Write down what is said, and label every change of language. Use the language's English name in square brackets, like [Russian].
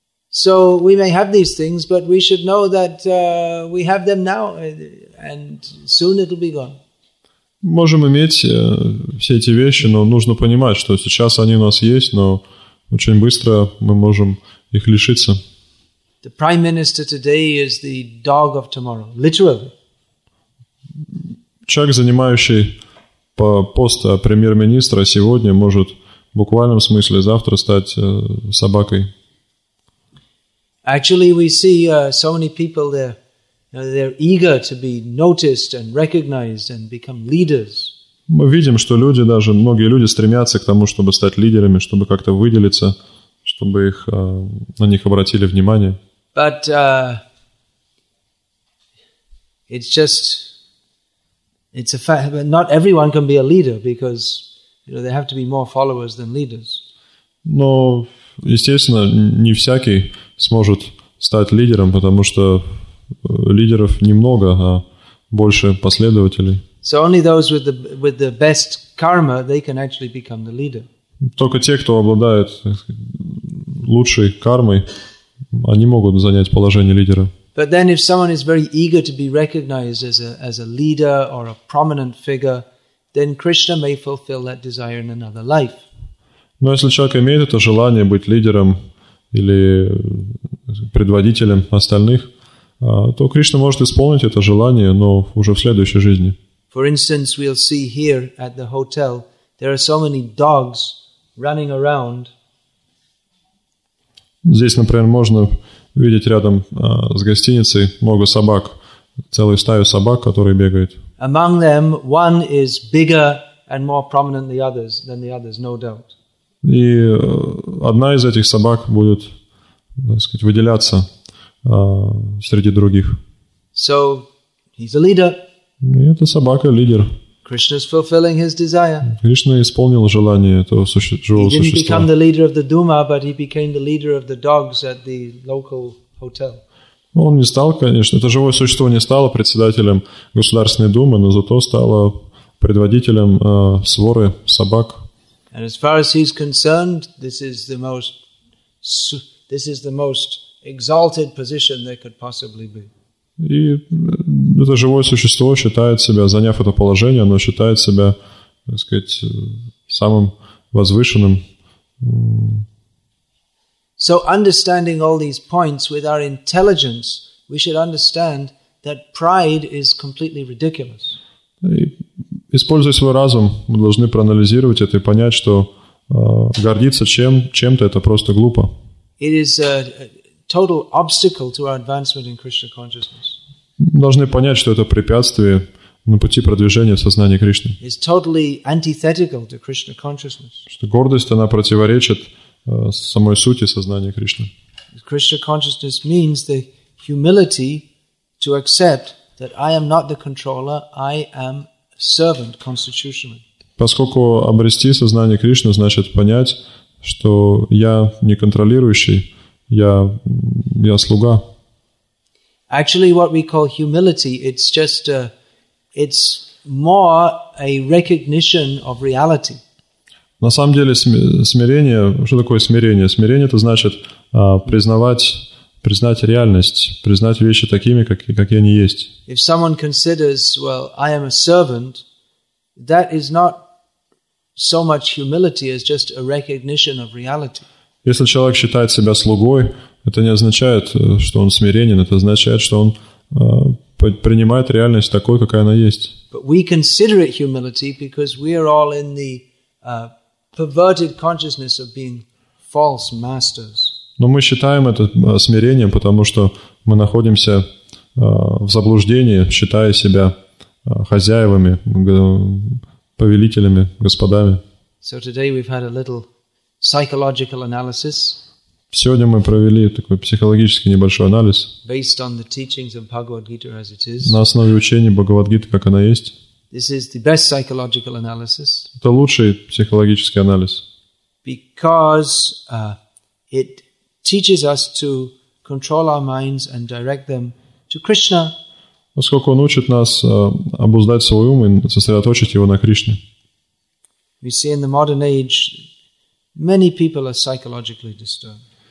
[English] So we may have these things, but we should know that we have them now, and soon it'll be gone. [Russian] Можем иметь все эти вещи, но нужно понимать, что сейчас они у нас есть, но очень быстро мы можем их лишиться. [English] The prime minister today is the dog of tomorrow, literally. [Russian] Человек, занимающий пост премьер-министра сегодня, может в буквальном смысле завтра стать собакой. [English] Actually, we see so many people there. Now they're eager to be noticed and recognized and become leaders. [Russian] Мы видим, что люди, даже многие люди, стремятся к тому, чтобы стать лидерами, чтобы как-то выделиться, чтобы их на них обратили внимание. [English] But it's a fact. But not everyone can be a leader because you know there have to be more followers than leaders. [Russian] Но естественно, не всякий сможет стать лидером, потому что лидеров немного, а больше последователей. [English] So only those with the best karma, they can actually become the leader. [Russian] Только те, кто обладает лучшей кармой, они могут занять положение лидера. [English] But then if someone is very eager to be recognized as a leader or a prominent figure, then Krishna may fulfill that desire in another life. [Russian] Но если человек имеет это желание быть лидером или предводителем остальных, то Кришна может исполнить это желание, но уже в следующей жизни. [English] For instance, we'll see here at the hotel, there are so many dogs running around. [Russian] Здесь, например, можно видеть рядом с гостиницей много собак, целую стаю собак, которые бегают. [English] Among them, one is bigger and more prominent than the others, no doubt. [Russian] И одна из этих собак будет, так сказать, выделяться среди других. [English] So, he's a leader. [Russian] И это собака лидер. [English] Krishna's fulfilling his desire. [Russian] Кришна исполнил желание этого живого [English] He didn't become the leader of the Duma, but he became the leader of the dogs at the local hotel. [Russian] Он не стал, конечно, это живое существо не стало председателем Государственной Думы, но зато стало предводителем своры собак. [English] And as far as he's concerned, this is the most exalted position there could possibly be. [Russian] И это живое существо считает себя, заняв это положение, оно считает себя, так сказать, самым возвышенным. [English] So understanding all these points with our intelligence, we should understand that pride is completely ridiculous. [Russian] И, используя свой разум, мы должны проанализировать это и понять, что гордиться чем-то это просто глупо. [English] It is a total obstacle to our advancement in Krishna consciousness. [Russian] Должны понять, что это препятствие на пути продвижения в сознании Кришны. [English] Is totally antithetical to Krishna consciousness. [Russian] Что гордость, она противоречит самой сути сознания Кришны. [English] Krishna consciousness means the humility to accept that I am not the controller, I am servant constitutionally. [Russian] Поскольку обрести сознание Кришны значит понять, что я не контролирующий, я слуга. [English] Actually, what we call humility, it's more a recognition of reality. [Russian] На самом деле смирение, что такое смирение? Смирение это значит признать реальность, признать вещи такими, как они есть. [English] If someone considers, well, I am a servant, that is not so much humility as just a recognition of reality. [Russian] Если человек считает себя слугой, это не означает, что он смиренен, это означает, что он принимает реальность такой, какая она есть. [English] But we consider it humility because we are all in the perverted consciousness of being false masters. [Russian] Но мы считаем это смирением, потому что мы находимся в заблуждении, считая себя хозяевами, повелителями, господами. [English] So today we've had a little psychological analysis. [Russian] Сегодня мы провели такой психологический небольшой анализ [English] based on the teachings of Bhagavad-gita as it is. [Russian] На основе учений Бхагавад-гиты, как она есть. [English] This is the best psychological analysis. [Russian] Это лучший психологический анализ. [English] Because it teaches us to control our minds and direct them to Krishna. [Russian] Поскольку он учит нас обуздать свой ум и сосредоточить его на Кришне. [English] We see in the modern age many people are psychologically disturbed.